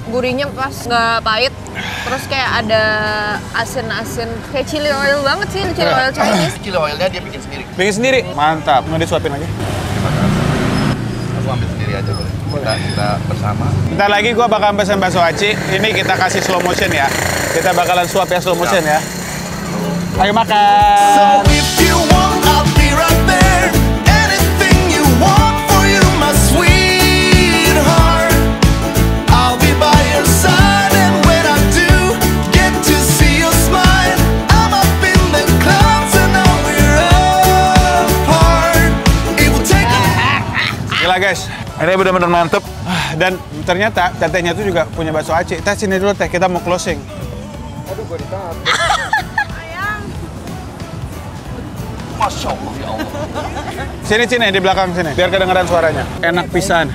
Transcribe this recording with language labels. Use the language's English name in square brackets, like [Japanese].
[Indonesian] Gurinya pas nggak pahit. Terus kayak ada asin-asin. Kayak chili oil banget sih, chili oil Chinese. Chili oilnya dia bikin sendiri. Bikin sendiri? Mantap. Nggak disuapin aja. Aku ambil sendiri aja, boleh. Kita bersama. Bentar lagi gua bakal pesan bakso aci. Ini kita kasih slow motion ya. Kita bakalan suap ya slow motion ya. Ayo makan. [English] So if you want, I'll be right there. Anything you want for you, my sweetheart. I'll be by your side. And when I do get to see your smile, I'm up in the clouds and now we're apart. It will take a... Gila guys. [Indonesian] Ini benar-benar mantep, dan ternyata tetehnya tuh juga punya bakso aci. Teh sini dulu teh, kita mau closing. Aduh, gue ditahan. Sayang. Masya Allah, ya Allah. Sini, di belakang sini, biar kedengeran suaranya. Enak pisan.